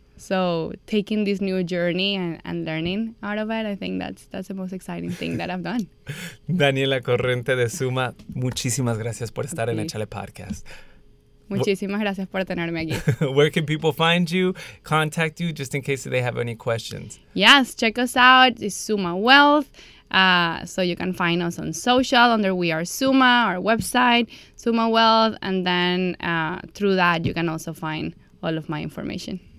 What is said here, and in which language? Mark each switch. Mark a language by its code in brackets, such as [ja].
[en] So taking this new journey and learning out of it, I think that's the most exciting thing that I've done. [es] Daniela Corrente de SUMA, muchísimas gracias por estar en Echale Podcast. Muchísimas gracias por tenerme aquí. [en] Where can people find you, contact you, just in case they have any questions? Yes, check us out. It's SUMA Wealth. So you can find us on social under We Are SUMA, our website, SUMA Wealth. And then through that, you can also find all of my information.